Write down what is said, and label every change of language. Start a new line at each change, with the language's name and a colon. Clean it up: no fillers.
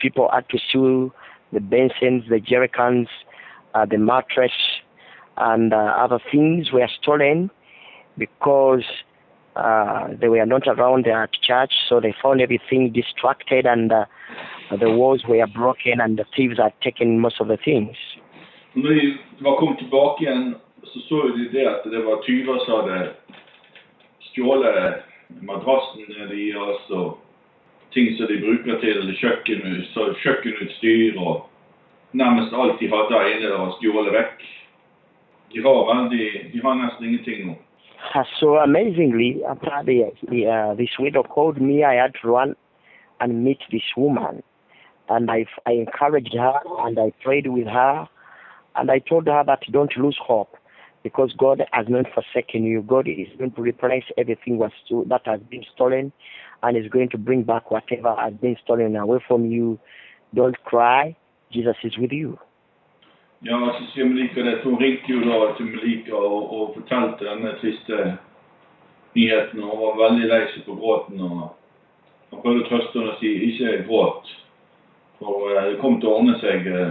English: People had to steal the benzines, the jerrycans, the mattress and other things were stolen because they were not around there at church. So they found everything distracted and the walls were broken and the thieves had taken most of the things.
Norwegian: Når de var kommet tilbake igjen, så så de det at det var tyver som hadde stjålet madrassen nede i oss og ting som de bruker til kjøkkenutstyr og nærmest alt de hadde inne og stjålet vekk. De har veldig, de har nesten ingenting nå.
English: So amazingly, this widow called me, I had to run and meet this woman. And I encouraged her and I prayed with her. And I told her that don't lose hope because God has not forsaken you. God is going to replace everything that has been stolen and is going to bring back whatever has been stolen away from you. Don't cry. Jesus is with you.
Norwegian: Ja, så sier Melika det. Hun ringte jo da til Melika og fortalte denne triste nyheten. Hun var veldig leise på gråten og prøvde å trøste henne og si ikke gråt. For det kom til å ordne seg.